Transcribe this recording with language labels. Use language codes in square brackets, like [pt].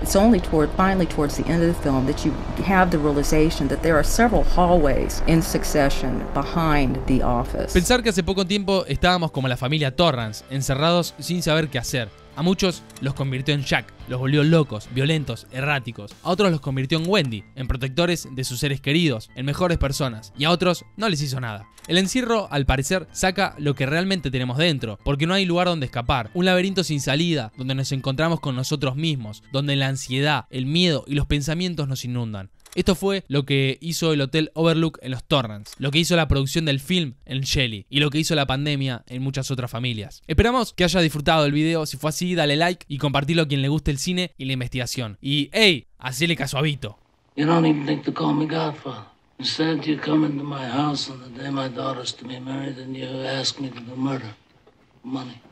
[en] It's only towards the end of the film that you have the realization that there are several hallways in succession behind the office. [es] Pensar que hace poco tiempo estábamos como la familia Torrance, encerrados sin saber qué hacer. A muchos los convirtió en Jack, los volvió locos, violentos, erráticos. A otros los convirtió en Wendy, en protectores de sus seres queridos, en mejores personas. Y a otros no les hizo nada. El encierro, al parecer, saca lo que realmente tenemos dentro, porque no hay lugar donde escapar. Un laberinto sin salida, donde nos encontramos con nosotros mismos, donde la ansiedad, el miedo y los pensamientos nos inundan. Esto fue lo que hizo el Hotel Overlook en los Torrance, lo que hizo la producción del film en Shelley y lo que hizo la pandemia en muchas otras familias. Esperamos que hayas disfrutado el video. Si fue así, dale like y compartilo a quien le guste el cine y la investigación. Y hey, hacele caso a Vito. [en] You don't even think to call me Godfather. Instead, you come into my house on the day my daughter's to be married and you ask me to do murder. Money.